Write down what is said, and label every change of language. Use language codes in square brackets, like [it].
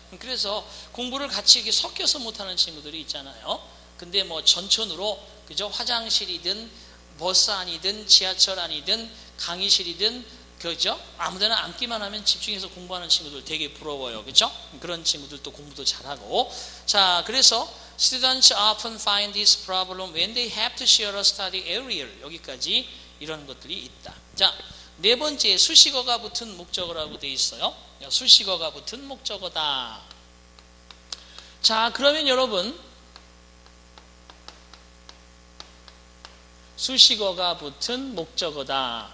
[ko] 그래서 공부를 같이 이렇게 섞여서 못하는 친구들이 있잖아요. 근데 뭐 전천으로, 그죠? 화장실이든 버스 아니든 지하철 아니든 강의실이든, 그죠? 아무데나 앉기만 하면 집중해서 공부하는 친구들 되게 부러워요. 그죠? 그런 친구들도 공부도 잘하고. 자, 그래서 [en] students often find this problem when they have to share a study area. [ko] 여기까지 이런 것들이 있다. 자, 네 번째 수식어가 붙은 목적어라고 되어 있어요. 수식어가 붙은 목적어다. 자, 그러면 여러분, 수식어가 붙은 목적어다.